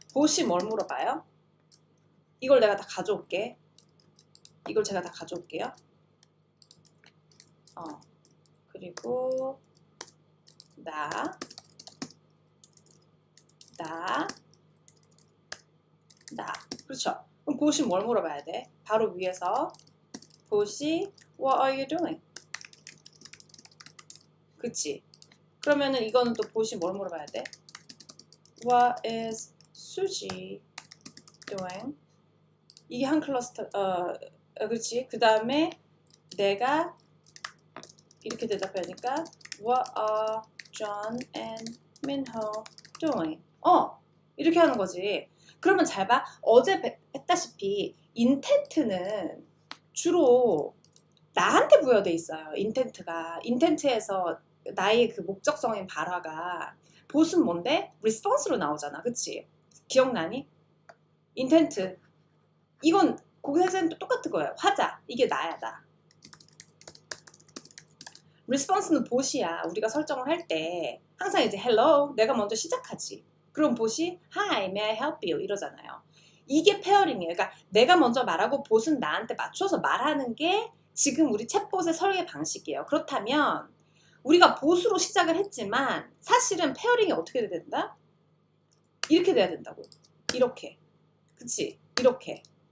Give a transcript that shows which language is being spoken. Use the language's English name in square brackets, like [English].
[Korean] 보시 뭘 물어봐요? 이걸 내가 다 가져올게. 이걸 제가 다 가져올게요. 그리고 나. 그렇죠. 그럼 보시 뭘 물어봐야 돼? 바로 위에서 보시 [English] what are you doing? [Korean] 그치. 그러면은 이거는 또 보시 뭘 물어봐야 돼? [English] What is Suji doing? [Korean] 이게 한 클러스터, 그렇지. 그 다음에 내가 이렇게 대답하니까 [English] What are John and Minho doing? [Korean] 이렇게 하는 거지. 그러면 잘 봐. 어제 했다시피 intent는 주로 나한테 부여돼 있어요. intent가. intent에서 나의 그 목적성인 발화가 보습 뭔데? response로 나오잖아. 그치? 기억나니? intent. 이건 고객센터 똑같은 거예요. 화자. 이게 나야, 나. response는 보시야. 우리가 설정을 할때 항상 이제 hello. 내가 먼저 시작하지. 그럼 보시 [English] hi, may I help you? [Korean] 이러잖아요. 이게 페어링이에요. 그러니까 내가 먼저 말하고 봇은 나한테 맞춰서 말하는 게 지금 우리 챗봇의 설계 방식이에요. 그렇다면 우리가 봇으로 시작을 했지만 사실은 페어링이 어떻게 돼야 된다? 이렇게 돼야 된다고. 이렇게. 그치? 이렇게.